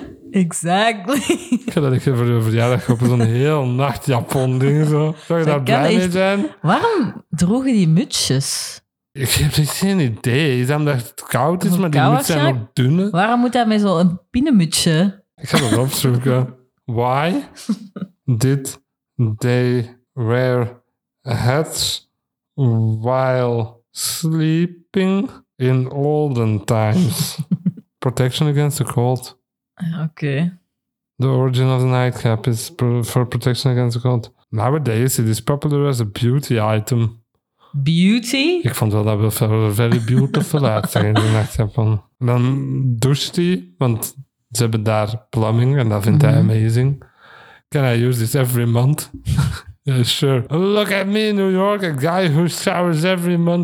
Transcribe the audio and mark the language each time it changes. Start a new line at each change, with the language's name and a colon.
English: Exactly.
Dutch: Ik ga dat even voor je verjaardag op zo'n heel nachtjapon ding. Zo. Zou je daar blij mee zijn? Waarom droegen die mutsjes... Ik heb geen idee. Is dat omdat het koud is, maar die moet zijn nog dunne? Waarom moet dat met zo'n pinnenmutsje? Ik ga dat opzoeken.
English: Why did they wear hats while sleeping in olden times? Protection against the cold. Okay. The origin of the nightcap is for protection against the cold. Nowadays, it is popular as a beauty item. Beauty?
Dutch: Ik vond wel dat we
English: very beautiful
Dutch: uitzag in de nachtjapon. Dan doucht hij, want ze hebben daar plumbing en dat vindt hij amazing.
English: Can I use this every month? Yeah, sure. Look at me, New York, a guy who showers every month.